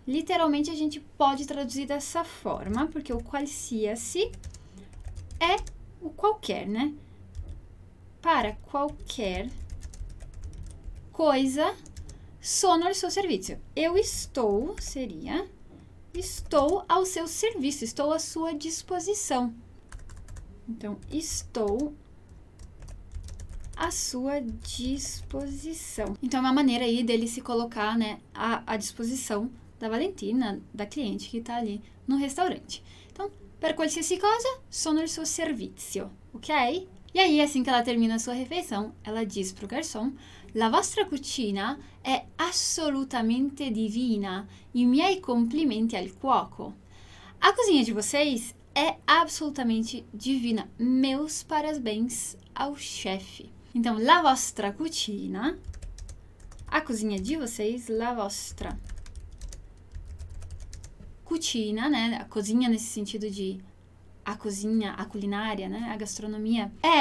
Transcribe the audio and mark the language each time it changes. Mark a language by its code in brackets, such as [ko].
[pt] Literalmente a gente pode traduzir dessa forma, porque o qualsiasi é o qualquer, né? Para qualquer coisa [it] sono al suo servizio. [pt] Eu estou, seria, estou ao seu serviço, estou à sua disposição. Então, estou à sua disposição. Então, é uma maneira aí dele se colocar, né, à disposição da Valentina, da cliente que está ali no restaurante. [it] Então, per qualsiasi cosa, sono al suo servizio, ok? [pt] E aí, assim que ela termina a sua refeição, ela diz pro garçom: [it] La vostra cucina è assolutamente divina. I miei complimenti al cuoco. [pt] A cozinha de vocês é absolutamente divina. Meus parabéns ao chefe. Então, [it] la vostra cucina. [pt] A cozinha de vocês, [it] la vostra. [pt] Cucina, né? A cozinha nesse sentido de a cozinha, a culinária, né? A gastronomia.